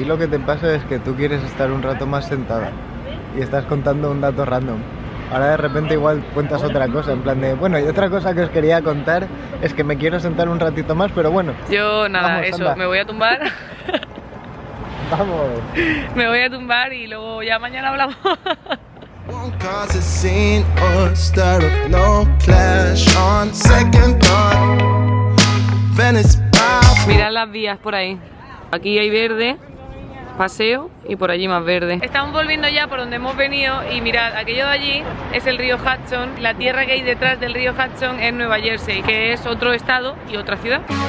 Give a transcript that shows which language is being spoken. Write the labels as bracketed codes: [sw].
[es] Y lo que te pasa es que tú quieres estar un rato más sentada y estás contando un dato random. Ahora de repente igual cuentas otra cosa, en plan de, bueno, y otra cosa que os quería contar es que me quiero sentar un ratito más, pero bueno. Yo nada, vamos, eso, anda. Me voy a tumbar. Vamos. Me voy a tumbar y luego ya mañana hablamos. [en] Won't cause a scene or stir up no clash on second thought. [es] Venice path. Mirad las vías por ahí. Aquí hay verde, paseo, y por allí más verde. Estamos volviendo ya por donde hemos venido y mirad, aquello de allí es el río Hudson. La tierra que hay detrás del río Hudson es Nueva Jersey, que es otro estado y otra ciudad.